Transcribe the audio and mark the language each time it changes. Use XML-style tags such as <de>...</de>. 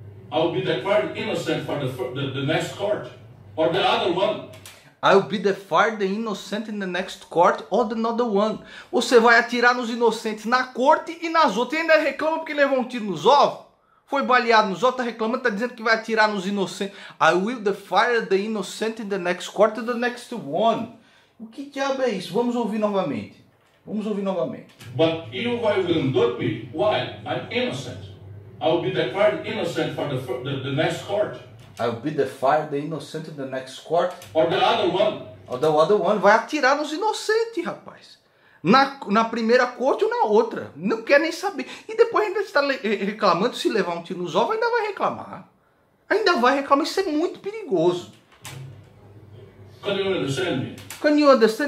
<en>I'll be declared innocent for the next court. Or the other one. I'll be declared innocent in the next court or another one.</en> <pt>Você vai atirar nos inocentes na corte e nas outras. E ainda reclama porque levou um tiro nos ovos? Foi baleado nos ovos, tá reclamando, tá dizendo que vai atirar nos inocentes.</pt> <en>I will declare the innocent in the next court or the next one.</en> <pt>O que diabo é isso? Vamos ouvir novamente. Vamos ouvir novamente.</pt> <en>But you will induce me. Why? I'm innocent. I'll be declared innocent for the next court. I'll be the fire, the innocent in the next court. Or the other one. Or the other one.</en> <pt>Vai atirar nos inocentes, rapaz. Na primeira corte ou na outra. Não quer nem saber. E depois ainda está reclamando. Se levar um tiro nos ovos, ainda vai reclamar. Ainda vai reclamar. Isso é muito perigoso.</pt> <en>Can you understand me? Can you understand?</en>